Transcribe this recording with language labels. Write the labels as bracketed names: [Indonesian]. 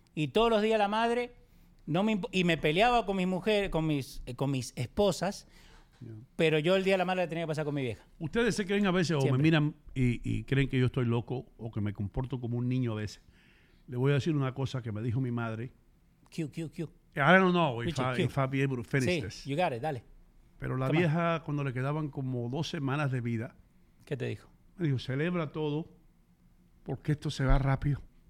[Spanish] Y todos los días la madre, y me peleaba con mis mujeres, con mis esposas, pero yo el día de la madre la tenía que pasar con mi vieja. Ustedes se creen a veces, siempre. O me miran y creen que yo estoy loco, o que me comporto como un niño a veces. Le voy a decir una cosa que me dijo mi madre. Q. [English] I don't know if I'll be able to finish this. [Spanish] Sí, [English] you got it, [Spanish] dale. Pero la vieja, cuando le quedaban como 2 semanas de vida. ¿Qué te dijo? Me dijo, celebra todo, porque esto se va rápido.